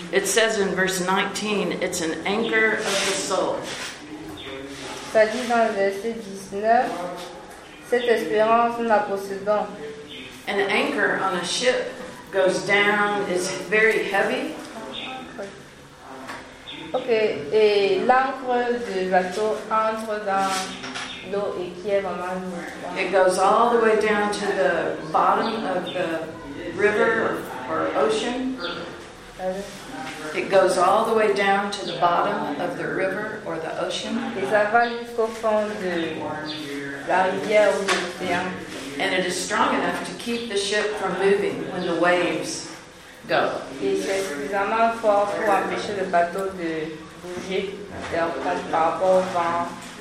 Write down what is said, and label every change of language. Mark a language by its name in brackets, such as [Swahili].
[English] It says in verse 19, it's an anchor of the soul. [French] Ça dit dans le verset 19, cette espérance nous la possédons. [English] An anchor on a ship goes down, is very heavy. [French] Okay, et l'ancre du bateau entre dans l'eau et qui est vraiment lourd. [English] It goes all the way down to the bottom of the river or ocean. It goes all the way down to the bottom of the river or the ocean. [French] Et ça va jusqu'au fond de la rivière ou de l'océan. [English] And it is strong enough to keep the ship from moving when the waves go. [French] Et c'est suffisamment fort pour empêcher le bateau de bouger par rapport au vent.